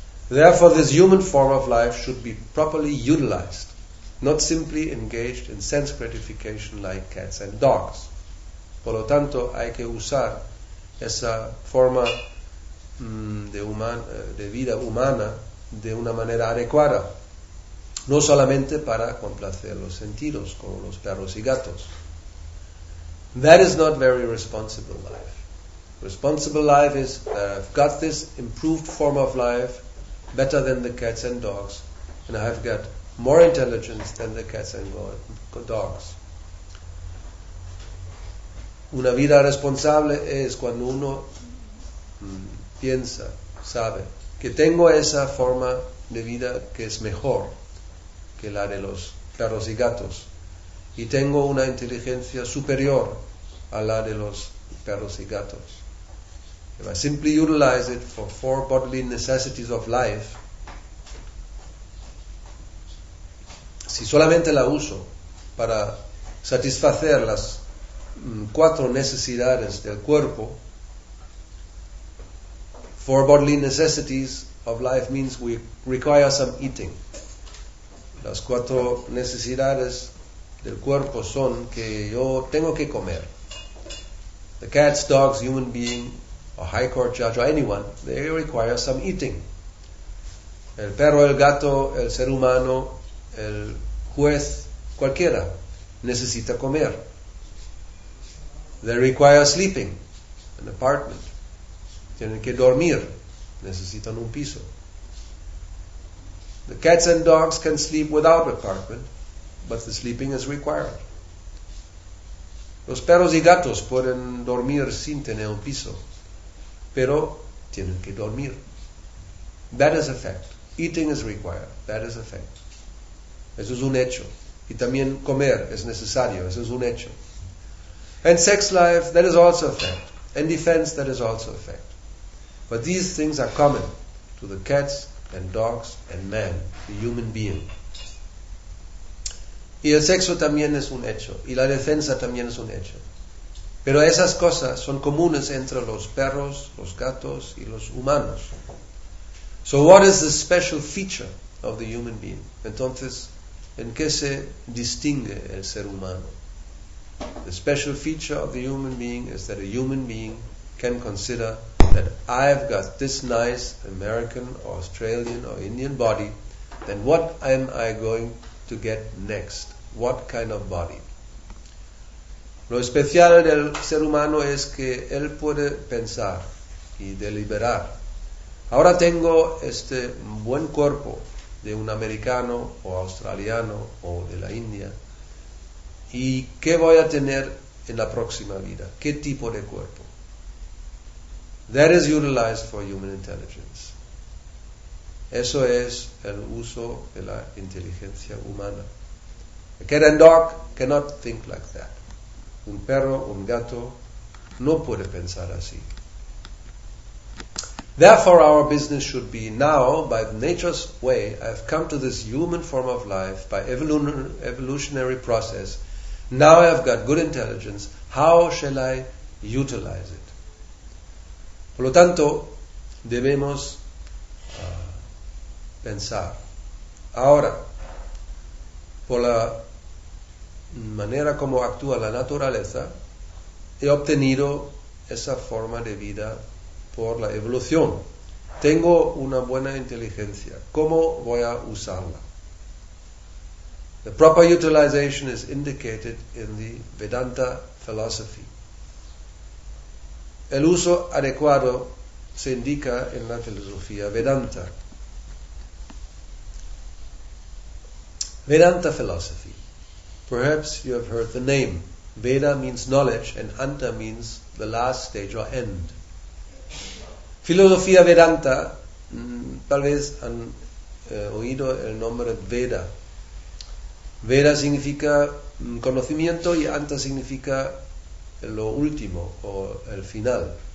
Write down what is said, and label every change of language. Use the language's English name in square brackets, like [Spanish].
[English] Therefore, this human form of life should be properly utilized, not simply engaged in sense gratification like cats and dogs. [Spanish] Por lo tanto, hay que usar esa forma de vida humana de una manera adecuada, no solamente para complacer los sentidos como los perros y gatos. [English] That is not very responsible life. Responsible life is I've got this improved form of life better than the cats and dogs, and I've got more intelligence than the cats and dogs. [Spanish] Una vida responsable es cuando uno piensa, sabe, que tengo esa forma de vida que es mejor que la de los perros y gatos, y tengo una inteligencia superior a la de los perros y gatos. [English] If I simply utilize it for four bodily necessities of life, [Spanish] si solamente la uso para satisfacer las cuatro necesidades del cuerpo, [English] four bodily necessities of life means we require some eating. [Spanish] Las cuatro necesidades del cuerpo son que yo tengo que comer. [English] The cats, dogs, human being, a high court judge, or anyone, they require some eating. [Spanish] El perro, el gato, el ser humano, el juez, cualquiera, necesita comer. [English] They require sleeping, an apartment. [Spanish] Tienen que dormir, necesitan un piso. [English] The cats and dogs can sleep without apartment, but the sleeping is required. [Spanish] Los perros y gatos pueden dormir sin tener un piso, pero tienen que dormir. [English] That is a fact. Eating is required. That is a fact. [Spanish] Eso es un hecho. Y también comer es necesario. Eso es un hecho. [English] And sex life, that is also a fact. And defense, that is also a fact. But these things are common to the cats and dogs and man, the human being. [Spanish] Y el sexo también es un hecho. Y la defensa también es un hecho. Pero esas cosas son comunes entre los perros, los gatos y los humanos. [English] So what is the special feature of the human being? [Spanish] Entonces, ¿en qué se distingue el ser humano? [English] The special feature of the human being is that a human being can consider that I've got this nice American or Australian or Indian body, then what am I going to get next? What kind of body? [Spanish] Lo especial del ser humano es que él puede pensar y deliberar. Ahora tengo este buen cuerpo de un americano o australiano o de la India. ¿Y qué voy a tener en la próxima vida? ¿Qué tipo de cuerpo? [English] That is utilized for human intelligence. [Spanish] Eso es el uso de la inteligencia humana. [English] A cat and dog cannot think like that. [Spanish] Un perro, un gato, no puede pensar así. [English] Therefore, our business should be now, by nature's way, I've come to this human form of life by evolutionary process. Now I've got good intelligence. How shall I utilize it? [Spanish] Por lo tanto, debemos pensar. Ahora, por la manera como actúa la naturaleza, he obtenido esa forma de vida por la evolución. Tengo una buena inteligencia. ¿Cómo voy a usarla? [English] The proper utilization is indicated in the Vedanta philosophy. [Spanish] El uso adecuado se indica en la filosofía Vedanta. [English] Vedanta philosophy. Perhaps you have heard the name. Veda means knowledge and anta means the last stage or end. [Spanish] Filosofía Vedanta, tal vez han oído el nombre Veda. Veda significa conocimiento y anta significa lo último o el final.